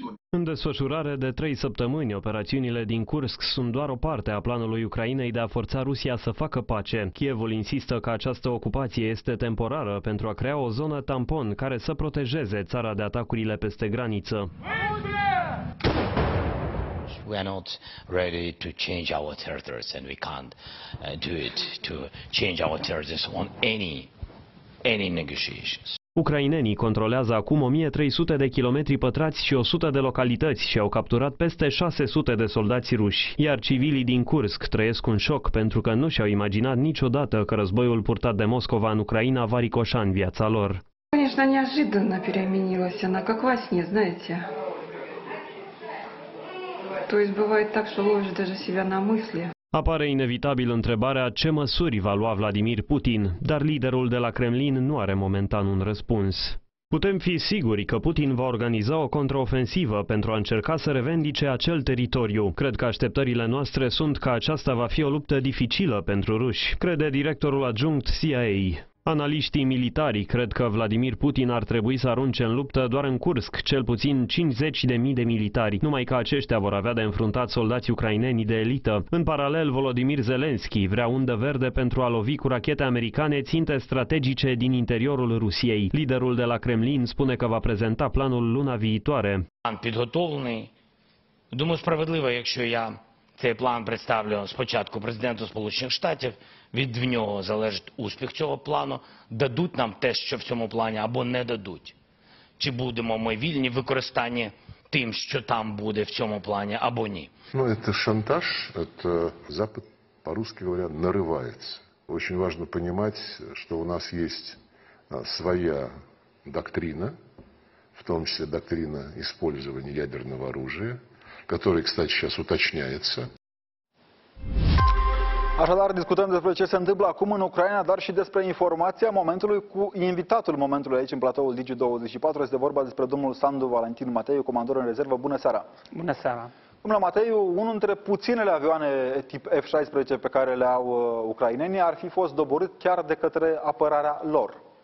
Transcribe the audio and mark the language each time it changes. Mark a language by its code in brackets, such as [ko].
[ro] În desfășurare de 3 săptămâni, operațiunile din Kursk sunt doar o parte a planului Ucrainei de a forța Rusia să facă pace. Kievul insistă că această ocupație este temporară pentru a crea o zonă tampon care să protejeze țara de atacurile peste graniță. [en] We are not ready to change our territories and we can't do it to change our territories on any negotiations. [ro] Ucrainenii controlează acum 1300 de kilometri pătrați și 100 de localități și au capturat peste 600 de soldați ruși. Iar civilii din Kursk trăiesc un șoc pentru că nu și-au imaginat niciodată că războiul purtat de Moscova în Ucraina va ricoșa în viața lor. [ru] Конечно, неожиданно переменилось она, как во сне, знаете. То есть бывает так, что ловишь даже себя на мысли. [ro] Apare inevitabil întrebarea ce măsuri va lua Vladimir Putin, dar liderul de la Kremlin nu are momentan un răspuns. Putem fi siguri că Putin va organiza o contraofensivă pentru a încerca să revendice acel teritoriu. Cred că așteptările noastre sunt că aceasta va fi o luptă dificilă pentru ruși, crede directorul adjunct CIA. Analiștii militari cred că Vladimir Putin ar trebui să arunce în luptă doar în Kursk cel puțin 50.000 de militari, numai că aceștia vor avea de înfruntat soldații ucraineni de elită. În paralel, Volodymyr Zelensky vrea undă verde pentru a lovi cu rachete americane ținte strategice din interiorul Rusiei. Liderul de la Kremlin spune că va prezenta planul luna viitoare. Am pregătit. [uk] Думаю, справедливо, якщо я цей план представлю спочатку президенту Сполучених Штатів. Від нього залежить успіх цього плану. Дадуть нам те, що в цьому плані, або не дадуть. Чи будемо ми вільні в використанні тим, що там буде в цьому плані, або ні. Ну, це шантаж. Це Запад, [ru] по-русски говоря, [uk] наривається. Дуже важливо розуміти, що у нас є своя доктрина, в тому числі доктрина використання [ru] ядерного оружия. который, кстати, сейчас уточняется. [ro] Așadar, discutăm despre ce se întâmplă acum în Ucraina, dar și despre informația momentului cu invitatul momentului aici, în platoul Digi24. Este vorba despre domnul Sandu Valentin Mateiu, comandor în rezervă. Bună seara! Bună seara! Domnule Mateiu, unul dintre puținele avioane tip F-16 pe care le au ucrainenii ar fi fost doborât chiar de către apărarea lor.